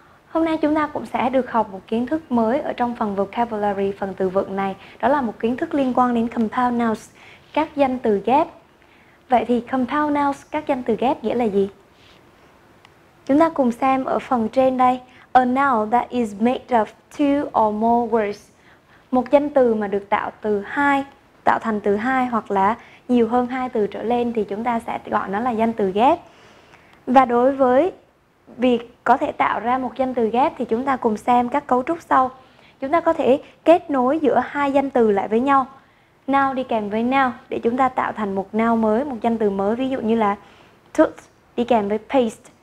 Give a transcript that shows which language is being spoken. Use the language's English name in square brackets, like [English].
[Vietnamese] Hôm nay chúng ta cũng sẽ được học một kiến thức mới ở trong phần vocabulary, phần từ vựng này. Đó là một kiến thức liên quan đến compound nouns, các danh từ ghép. Vậy thì compound nouns, các danh từ ghép nghĩa là gì? Chúng ta cùng xem ở phần trên đây. [English] A noun that is made of two or more words. [Vietnamese] Một danh từ mà được tạo thành từ hai hoặc là nhiều hơn hai từ trở lên thì chúng ta sẽ gọi nó là danh từ ghép. Và đối với việc có thể tạo ra một danh từ ghép thì chúng ta cùng xem các cấu trúc sau. Chúng ta có thể kết nối giữa hai danh từ lại với nhau. Noun đi kèm với noun để chúng ta tạo thành một noun mới, một danh từ mới. Ví dụ như là tooth đi kèm với paste.